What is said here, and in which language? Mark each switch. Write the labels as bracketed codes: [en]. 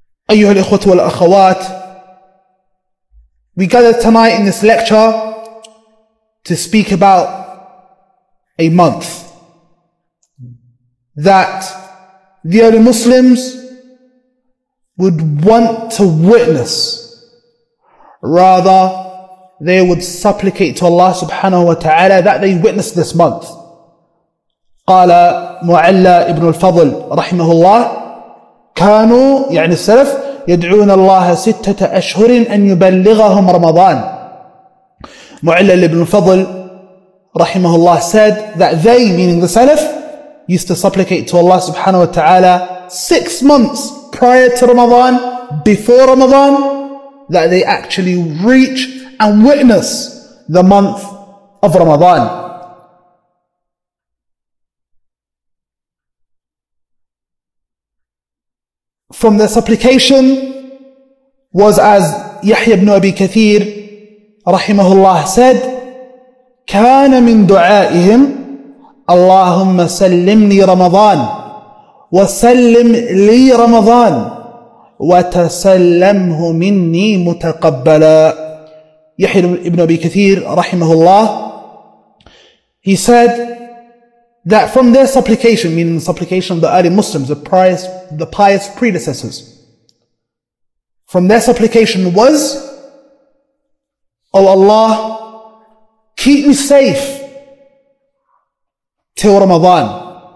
[en] Ayyuha al-ikhwat wal-akhawat, we gather tonight in this lecture to speak about a month that the early Muslims would want to witness. Rather, they would supplicate to Allah subhanahu wa ta'ala that they witness this month. [ar] قال معلى ابن الفضل رحمه الله كانوا, يعني السلف, يدعون الله ستة أشهر أن يبلغهم رمضان. [en] معلى ابن الفضل رحمه الله said that they, meaning the Salaf, used to supplicate to Allah subhanahu wa ta'ala 6 months prior to Ramadan before Ramadan that they actually reach and witness the month of Ramadan. From their supplication was, as Yahya ibn Abi Kathir rahimahullah said, [ar] كَانَ مِنْ دُعَائِهِمْ اللَّهُمَّ سَلِّمْنِي رَمَضَانِ وَسَلِّمْ لِي رَمَضَانِ وَتَسَلَّمْهُ مِنِّي مُتَقَبَّلًا. [en] Yahya ibn Abi Kathir rahimahullah, he said that from their supplication, meaning the supplication of the early Muslims, the pious predecessors, from their supplication was, O Allah, keep me safe till Ramadan.